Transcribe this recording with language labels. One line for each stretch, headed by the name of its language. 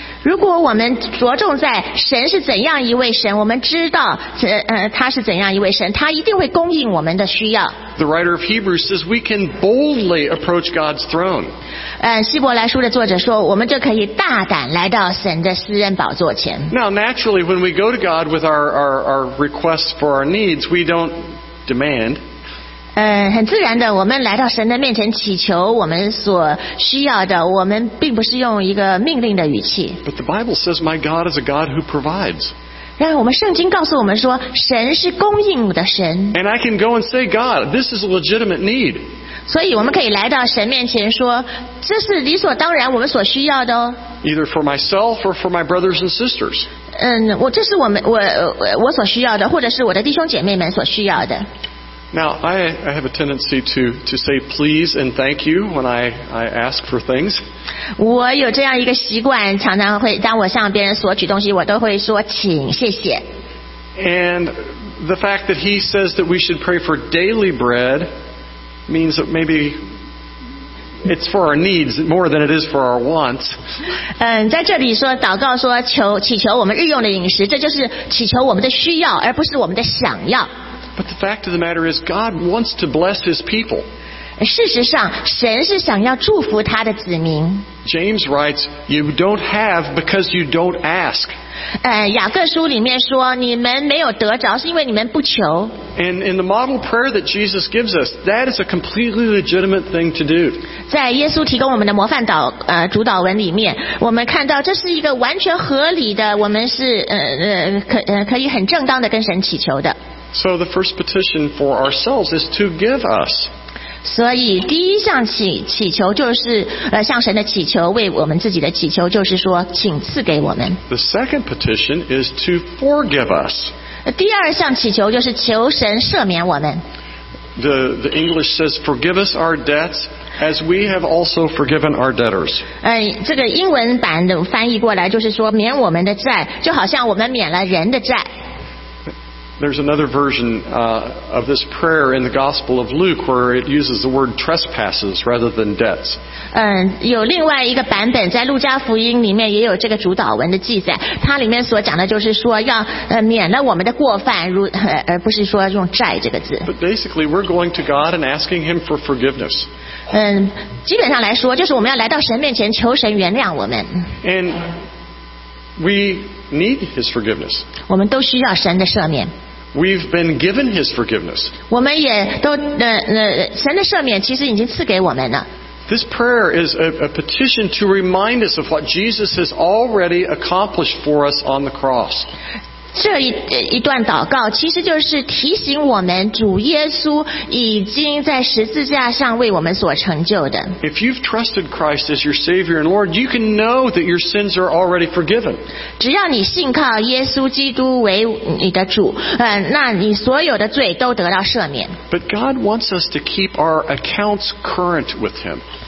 Chinese: 如果我们着重在神是怎样一位神，我们知道他是怎样一位神，他一定会供应我们的需要。
English: The writer of Hebrews says we can boldly approach God's throne.
Chinese: 希伯来书的作者说，我们就可以大胆来到神的施恩宝座前。
English: Now, naturally, when we go to God with our requests for our needs, we don't demand.
Chinese: 很自然的，我们来到神的面前祈求我们所需要的，我们并不是用一个命令的语气。
English: But the Bible says, "My God is a God who provides."
Chinese: 然后我们圣经告诉我们说，神是供应的神。
English: And I can go and say, "God, this is a legitimate need."
Chinese: 所以我们可以来到神面前说，这是理所当然我们所需要的哦。
English: Either for myself or for my brothers and sisters.
Chinese: 这是我所需要的，或者是我的弟兄姐妹们所需要的。
English: Now, I have a tendency to say please and thank you when I ask for things.
Chinese: 我有这样一个习惯，常常会当我向别人索取东西，我都会说请谢谢。
English: And the fact that he says that we should pray for daily bread means that maybe it's for our needs more than it is for our wants.
Chinese: 在这里说祷告说祈求我们日用的饮食，这就是祈求我们的需要，而不是我们的想要。
English: But the fact of the matter is, God wants to bless His people.
Chinese: 事实上，神是想要祝福他的子民。
English: James writes, "You don't have because you don't ask."
Chinese: 雅各书里面说，你们没有得着，是因为你们不求。
English: And in the model prayer that Jesus gives us, that is a completely legitimate thing to do.
Chinese: 在耶稣提供我们的模范祷主导文里面，我们看到这是一个完全合理的，我们是可以很正当的跟神祈求的。
English: So the first petition for ourselves is to give us.
Chinese: 所以第一项祈求就是向神的祈求，为我们自己的祈求就是说请赐给我们。
English: The second petition is to forgive us.
Chinese: 第二项祈求就是求神赦免我们。
English: The English says forgive us our debts as we have also forgiven our debtors.
Chinese: 这个英文版的翻译过来就是说免我们的债，就好像我们免了人的债。
English: There's another version of this prayer in the Gospel of Luke where it uses the word trespasses rather than debts.
Chinese: 有另外一个版本在路加福音里面也有这个主导文的记载，它里面所讲的就是说要免了我们的过犯，而不是说用债这个字。
English: But basically, we're going to God and asking Him for forgiveness.
Chinese: 基本上来说，就是我们要来到神面前求神原谅我们。
English: And we need His forgiveness.
Chinese: 我们都需要神的赦免。
English: We've been given His forgiveness.
Chinese: 我们也都神的赦免其实已经赐给我们了。
English: This prayer is a petition to remind us of what Jesus has already accomplished for us on the cross.
Chinese: 这 一段祷告其实就是提醒我们主耶稣已经在十字架上为我们所成就的。
English: If you've trusted Christ as your Savior and Lord, you can know that your sins are already forgiven.
Chinese: 只要你信靠耶稣基督为你的主，那你所有的罪都得到赦免。
English: But God wants us to keep our accounts current with Him.